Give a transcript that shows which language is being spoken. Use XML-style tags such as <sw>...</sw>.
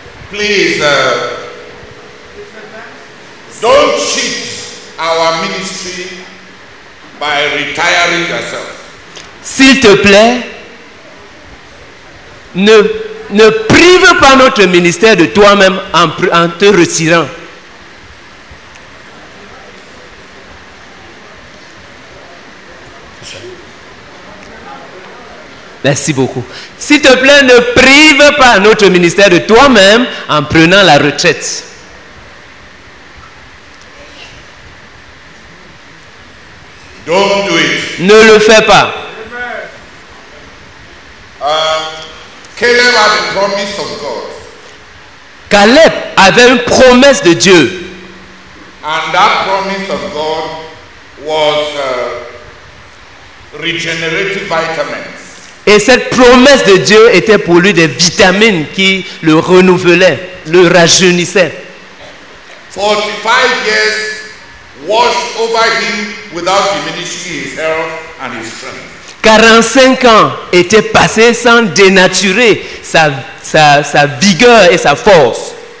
<en>Please, don't cheat our ministry by retiring yourself.</en> <fr>S'il te plaît, ne prive pas notre ministère de toi-même en te retirant. Merci beaucoup. S'il te plaît, ne prive pas notre ministère de toi-même en prenant la retraite.</fr> <en>Don't do it.</en> <fr>Ne le fais pas.</fr> <en>Caleb had a promise of God.</en> <fr>Caleb avait une promesse de Dieu.</fr> <en>And that promise of God was regenerative vitamins.</en> <fr>Et cette promesse de Dieu était pour lui des vitamines qui le renouvelaient, le rajeunissaient.</fr> <en>45 years washed over him without diminishing his health and his strength.</en> <fr>45 ans étaient passés sans dénaturer sa vigueur et sa force.</fr>